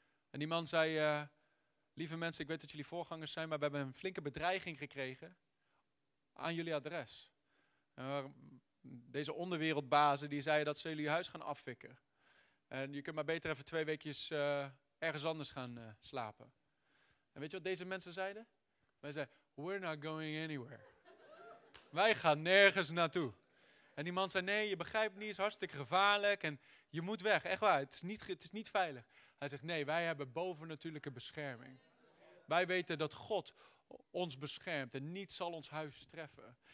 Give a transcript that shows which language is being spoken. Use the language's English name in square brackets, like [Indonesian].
[Dutch] En die man zei, lieve mensen, ik weet dat jullie voorgangers zijn, maar we hebben een flinke bedreiging gekregen aan jullie adres. En deze onderwereldbazen die zeiden dat ze jullie huis gaan afvikken. En je kunt maar beter even 2 weekjes ergens anders gaan slapen. En weet je wat deze mensen zeiden? Wij zeiden, [English] we're not going anywhere. [Dutch] Wij gaan nergens naartoe. En die man zei, nee, je begrijpt niet, het is hartstikke gevaarlijk en je moet weg. Echt waar, het is niet veilig. Hij zegt, nee, wij hebben bovennatuurlijke bescherming. Wij weten dat God ons beschermt en niet zal ons huis treffen.